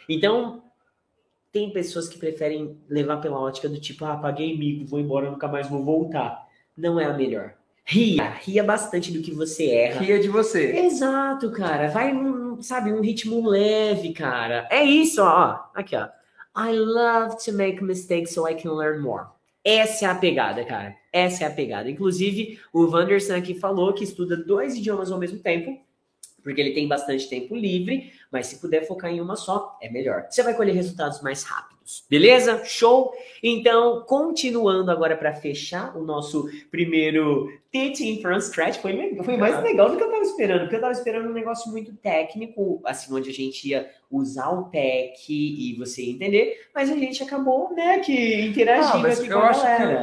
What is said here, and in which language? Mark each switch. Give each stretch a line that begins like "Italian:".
Portuguese: Então, tem pessoas que preferem levar pela ótica do tipo, paguei mico, vou embora, nunca mais vou voltar. Não é a melhor. Ria bastante do que você erra. Ria de você. Exato, cara. Vai, sabe, um ritmo leve, cara. É isso, ó. Aqui, ó.
English: I love to make mistakes so I can learn more.
Portuguese: Essa é a pegada, cara. Essa é a pegada. Inclusive, o Wanderson aqui falou que estuda dois idiomas ao mesmo tempo, porque ele tem bastante tempo livre, mas se puder focar em uma só, é melhor. Você vai colher resultados mais rápidos. Beleza? Show? Então, continuando agora para fechar o nosso primeiro Teaching from Scratch, foi mais legal do que eu tava esperando, porque eu tava esperando um negócio muito técnico, assim, onde a gente ia usar o PEC e você entender, mas a gente acabou, né, que interagindo aqui com a galera.